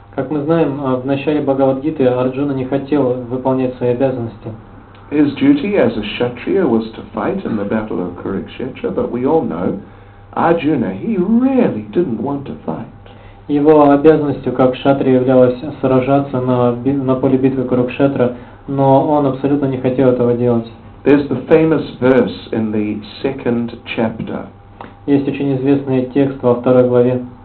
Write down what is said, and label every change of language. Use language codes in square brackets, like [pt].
[ru] Как мы знаем, в начале Бхагавад-гиты Арджуна не хотел выполнять свои обязанности. [en] His duty as a kshatriya was to fight in the battle of Kurukshetra, but we all know Arjuna, he really didn't want to fight. [ru] Его обязанностью как кшатрия являлось сражаться на поле битвы Курукшетра, но он абсолютно не хотел этого делать. [en] There's the famous verse in the second chapter. [ru] Есть очень известный текст во второй главе.